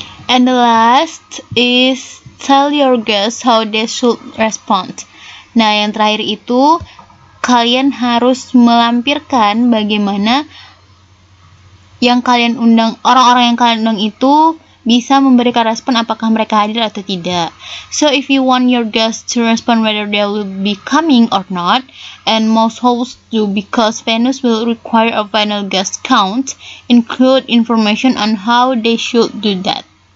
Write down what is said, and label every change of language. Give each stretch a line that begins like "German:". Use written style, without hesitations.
English: And the last is tell your guests how they should respond.
Indonesian: Nah, yang terakhir itu kalian harus melampirkan bagaimana yang kalian undang, orang-orang yang kalian undang itu bisa memberikan respon apakah mereka hadir atau tidak.
English: So if you want your guests to respond whether they will be coming or not, and most hosts do because venues will require a final guest count, include information on how they should do that.